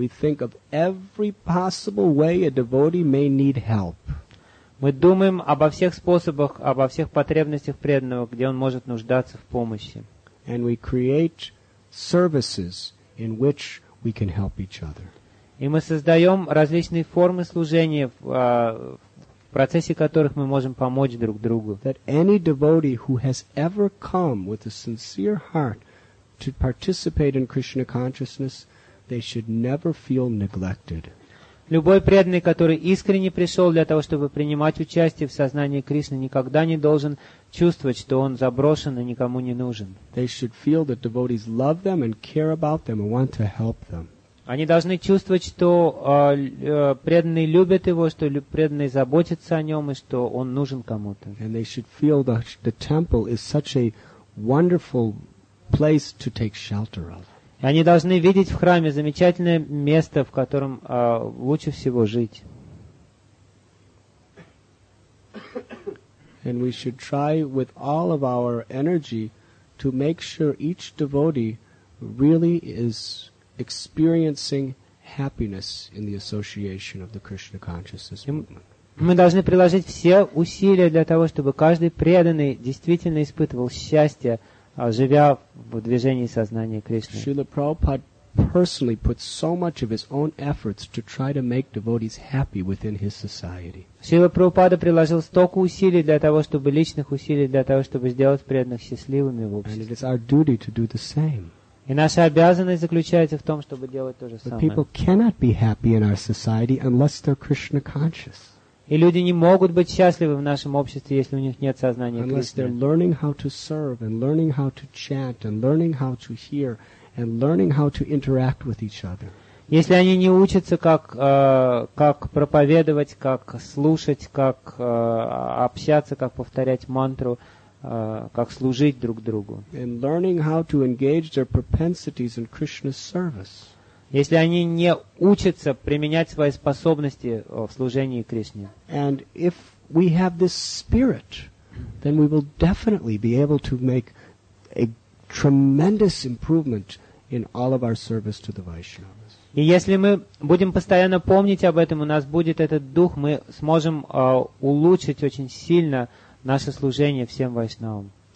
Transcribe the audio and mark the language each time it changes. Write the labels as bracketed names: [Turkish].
[English] We think of every possible way a devotee may need help. [Russian] Мы думаем обо всех способах, обо всех потребностях преданного, где он может нуждаться в помощи. [English] And we create services in which we can help each other. [Russian] И мы создаем различные формы служения, в процессе которых мы можем помочь друг другу. [English] That any devotee who has ever come with a sincere heart to participate in Krishna consciousness, they should never feel neglected. [Russian] Любой преданный, который искренне пришел для того, чтобы принимать участие в сознании Кришны, никогда не должен чувствовать, что он заброшен и никому не нужен. [English] They should feel that devotees love them and care about them and want to help them. [Russian] Они должны чувствовать, что преданные любят его, что преданные заботятся о нем и что он нужен кому-то. [English] And they should feel that the temple is such a wonderful place to take shelter of. [Russian] И они должны видеть в храме замечательное место, в котором лучше всего жить. [English] And we should try with all of our energy to make sure each devotee really is experiencing happiness in the association of the Krishna consciousness movement. [Russian] Мы должны приложить все усилия для того, чтобы каждый преданный действительно испытывал счастье, живя в движении сознания Кришны. [English] Srila Prabhupada personally put so much of his own efforts to try to make devotees happy within his society. [Russian] Srila Prabhupada приложил столько усилий для того, чтобы личных усилий для того, чтобы сделать преданных счастливыми в обществе. [English] And it is our duty to do the same. [Russian] И наша обязанность заключается в том, чтобы делать то же самое. [English] But people cannot be happy in our society unless they're Krishna conscious. [Russian] И люди не могут быть счастливы в нашем обществе, если у них нет сознания Кришны. [English] Unless they're learning how to serve and learning how to chant and learning how to hear and learning how to interact with each other. [Russian] Если они не учатся, как проповедовать, как слушать, как общаться, как повторять мантру, как служить друг другу. [English] And learning how to engage their propensities in Krishna's service. [Russian] если они не учатся применять свои способности в служении Кришне. [English] And if we have this spirit, then we will definitely be able to make a tremendous improvement in all of our service to the Vaishnavas. [Russian] И если мы будем постоянно помнить об этом, у нас будет этот дух, мы сможем улучшить очень сильно наше служение всем вайшнавам.